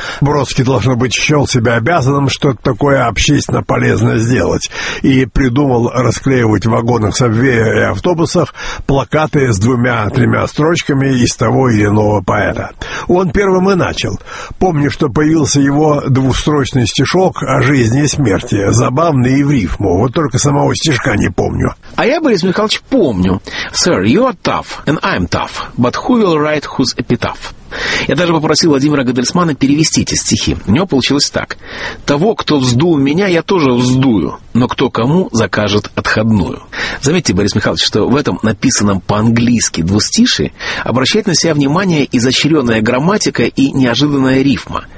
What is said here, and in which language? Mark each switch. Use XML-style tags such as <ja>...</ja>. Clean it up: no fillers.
<ru>Бродский, должно быть, счел себя обязанным что-то такое общественно полезное сделать и придумал расклеивать в вагонах Сабвея и автобусах плакаты с двумя-тремя строчками из того или иного поэта. Он первым и начал. Помню, что появился его двухстрочный стишок о жизни и смерти, забавный и в рифму. Вот только самого стишка не помню. А я, Борис Михайлович, помню.</ru> <en>«Sir, you are tough, and I'm tough, but who will write whose epitaph?»</en> <ru>Я даже попросил Владимира Гадельсмана перевести эти стихи. У него получилось так. «Того, кто вздул меня, я тоже вздую, но кто кому закажет отходную». Заметьте, Борис Михайлович, что в этом написанном по-английски двустиши обращает на себя внимание изощренная грамматика и неожиданная рифма.</ru>